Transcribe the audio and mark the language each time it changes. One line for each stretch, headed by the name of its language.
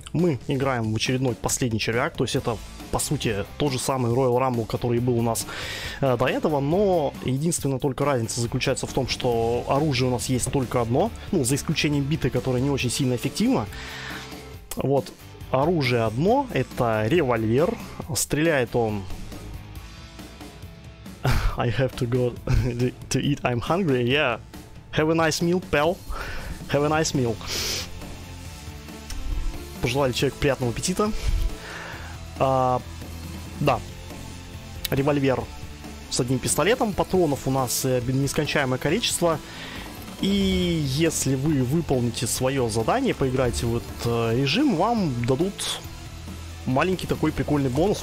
Russian: Мы играем в очередной «Последний червяк», то есть это, по сути, тот же самый Royal Rumble, который был у нас до этого, но единственная только разница заключается в том, что оружие у нас есть только одно, ну, за исключением биты, которая не очень сильно эффективна. Вот, оружие одно, это револьвер, стреляет он...
English: I have to go to eat, I'm hungry, yeah. Have a nice meal, pal. Have a nice meal.
Russian: Пожелали человеку приятного аппетита. Да. Револьвер с одним пистолетом. Патронов у нас нескончаемое количество. И если вы выполните свое задание, поиграете в этот режим, вам дадут маленький такой прикольный бонус.